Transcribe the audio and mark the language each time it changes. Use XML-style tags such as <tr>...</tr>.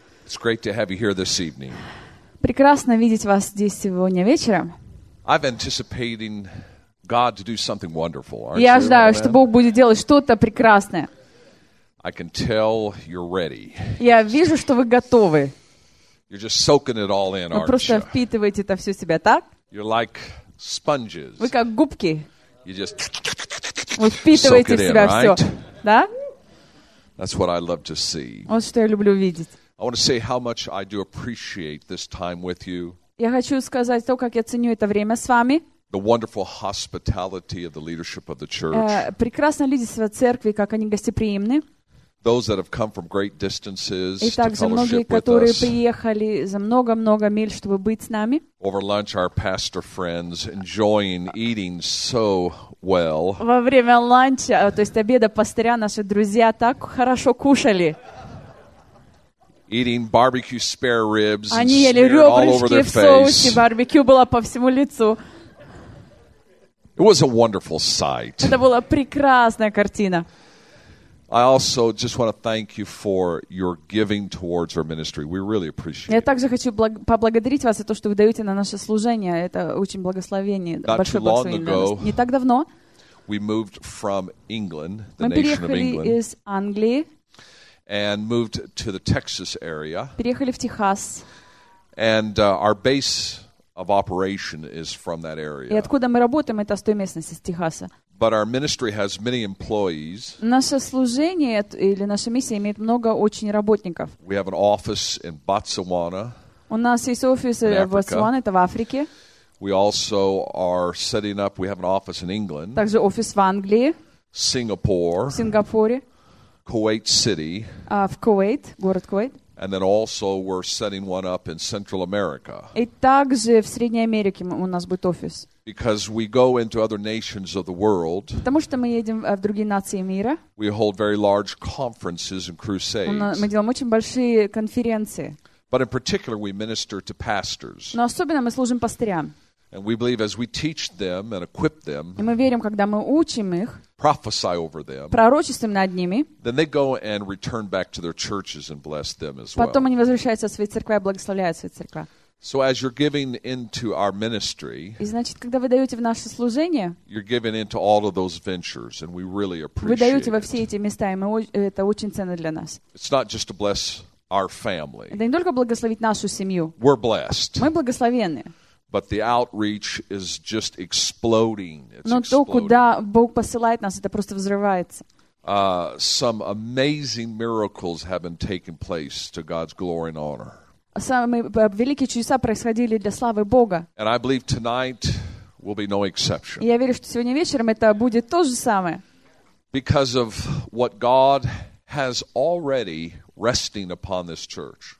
<en>It's great to have you here this evening.</en> <ru>Прекрасно видеть вас здесь сегодня вечером.</ru> <en>I'm anticipating God to do something wonderful, aren't you?</en> <ru>Я ожидаю, что Бог будет делать что-то прекрасное.</ru> <en>I can tell you're ready.</en> <ru>Я вижу, что вы готовы.</ru> <en>You're just soaking it all in, aren't you?</en> <ru>Вы просто впитываете это все в себя, так?</ru> <en>You're like sponges.</en> <ru>Вы как губки.</ru> <en>You just</en> <ru>вы впитываете</ru> <en>soak</en> <ru>в себя</ru> <en>in,</en> <ru>все,</ru> <en>right?</en> <ru>Да?</ru> <en>That's what I love to see.</en> <ru>Вот что я люблю видеть.</ru> <en>I want to say how much I do appreciate this time with you.</en> <ru>Я хочу сказать то, как я ценю это время с вами.</ru> <en>The wonderful hospitality of the leadership of the church.</en> <ru>Прекрасное лидерство церкви, как они гостеприимны.</ru> <en>Those that have come from great distances to fellowship with us.</en> <ru>И многие, которые приехали за много-много миль, чтобы быть с нами.</ru> <en>Over lunch, our pastor friends enjoying eating so well.</en> <ru>Во время ланча, то есть обеда, пастыря наши друзья так хорошо кушали.</ru> <en>Eating barbecue spare ribs.</en> <ru>Они ели ребрышки в соусе, барбекю было по всему лицу.</ru> <en>It was a wonderful sight.</en> <ru>Это была прекрасная картина.</ru> <en>I also just want to thank you for your giving towards our ministry. We really appreciate it.</en> <ru>Я также хочу поблагодарить вас за то, что вы даете на наше служение. Это очень благословение.</ru> <en>Not too long ago,</en> <ru>не так давно,</ru> <en>we moved from England, the nation of England.</en> <ru>Мы переехали из Англии.</ru> <en>And moved to the Texas area.</en> <ru>Переехали в Техас.</ru> <en>And our base of operation is from that area.</en> <ru>И откуда мы работаем, это с той местности, с Техаса.</ru> <en>But our ministry has many employees.</en> <ru>Наше служение или наша миссия имеет много очень работников.</ru> <en>We have an office in Botswana.</en> <ru>У нас есть офис в Ботсване, это в Африке.</ru> <en>We also are setting up. We have an office in England.</en> <ru>Также офис в Англии.</ru> <en>Singapore.</en> <ru>В Сингапуре.</ru> <en>Kuwait City.</en> <ru>В Кувейт, город Кувейт.</ru> <en>And then also we're setting one up in Central America.</en> <ru>И также в Средней Америке у нас будет офис.</ru> <en>Because we go into other nations of the world.</en> <ru>Потому что мы едем в другие нации мира.</ru> <en>We hold very large conferences and crusades.</en> <ru>Мы делаем очень большие конференции.</ru> <en>But in particular we minister to pastors.</en> <ru>Но особенно мы служим пастырям.</ru> <en>And we believe as we teach them and equip them.</en> <ru>И мы верим, когда мы учим их.</ru> <en>Prophesy over them.</en> <ru>Пророчествуем над ними.</ru> <en>Then they go and return back to their churches and bless them as well.</en> <ru>Потом они возвращаются в свои церкви и благословляют свои церкви.</ru> <en>So as you're giving into our ministry.</en> <ru>И значит, когда вы даете в наше служение.</ru> <en>You're giving into all of those ventures, and we really appreciate.</en> <ru>Вы даете во все эти места, и это очень ценно для нас.</ru> <en>It's not just to bless our family.</en> <ru>Это не только благословить нашу семью.</ru> <en>We're blessed.</en> <ru>Мы благословенны.</ru> <en>But the outreach is just exploding. It's</en> <ru>Но</ru> <en>exploding.</en> <ru>То, куда Бог посылает нас, это просто взрывается.</ru> <en>Some amazing miracles have been taking place to God's glory and honor.</en> <ru>Самые великие чудеса происходили для славы Бога.</ru> <en>And I believe tonight will be no exception.</en> <ru>Я верю, что сегодня вечером это будет то же самое.</ru> <en>Because of what God has already resting upon this church.</en>